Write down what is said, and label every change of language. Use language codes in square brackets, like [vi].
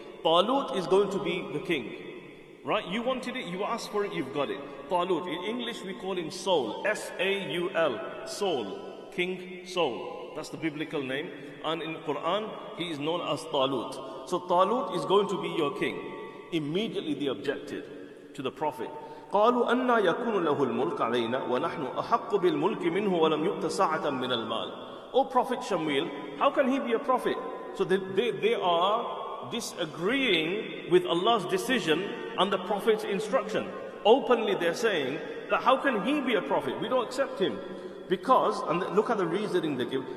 [en] Talut is going to be the king. Right? You wanted it, you asked for it, you've got it. Talut. In English, we call him Saul. S-A-U-L. Saul. King Saul. That's the biblical name. And in Quran, he is known as Talut. So Talut is going to be your king. Immediately they objected to the Prophet. [ar] قالوا أن يكون له الملك علينا ونحن أحق بالملك منه ولم يؤت ساعة من المال. [en] Oh Prophet Shamil, how can he be a prophet? So they are disagreeing with Allah's decision and the Prophet's instruction. Openly they're saying that how can he be a prophet? We don't accept him because and look at the reasoning they give.